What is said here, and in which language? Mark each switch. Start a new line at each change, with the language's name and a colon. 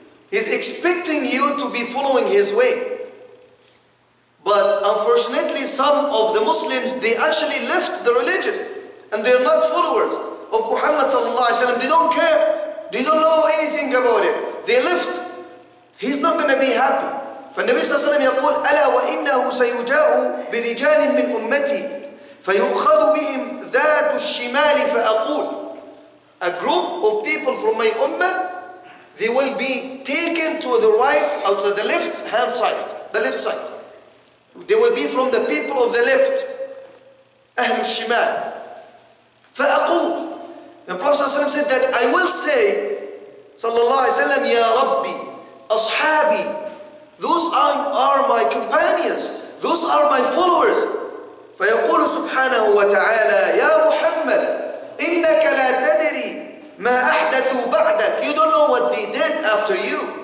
English: He's expecting you to be following his way. But unfortunately, some of the Muslims, they actually left the religion. And they're not followers of Muhammad sallallahu alayhi wa sallam. They don't care. They don't know anything about it. They left. He's not going to be happy.
Arabic: فالنبي صلى الله عليه وسلم يقول, أَلَا وَإِنَّهُ سَيُجَاءُ بِرِجَالٍ مِّنْ أُمَّتِي فَيُؤْخَذُ بِهِمْ ذَاتُ الشِّمَالِ فَأَقُولُ.
English: A group of people from my ummah, they will be taken to the right, or to the left hand side, the left side. They will be from the people of the left.
Arabic: أهل الشمال. فأقول.
English: The Prophet ﷺ said that I will say,
Arabic: صلى الله عليه وسلم, يا ربي أصحابي
English: Those are my companions. Those are my followers.
Arabic: فيقول سبحانه وتعالى يا محمد إنك لا تدري ما أحدثوا بعدك.
English: You don't know what they did after you.